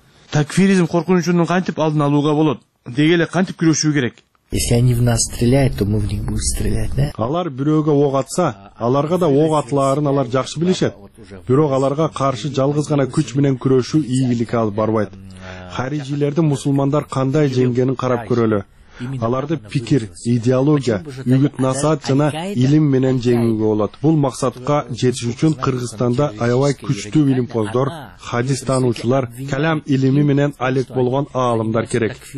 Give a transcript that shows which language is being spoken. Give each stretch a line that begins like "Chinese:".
Kyrgyz: Такфиризм коркунучунун кантип алдын алууга болот? Деги эле кантип күрөшүү керек?
Russian: Если они в нас стреляют, то мы в них будем стрелять, да?
Kyrgyz: Алар бирөөгө ок атса, аларга да ок атларын алар жакшы билишет. Бирок аларга каршы жалгыз гана күч менен күрөшүү ийгилик алып барбайт. Харижилерди мусулмандар кандай жеңгенин карап көрөлү. Аларды пикир, идеология, үгүт-насаат жана илим менен жеңүүгө болот. Бул максатка жетиш үчүн Кыргызстанда аябай күчтүү илимпоздор, хадис таануучулар, калам илими менен алек болгон аалымдар керек.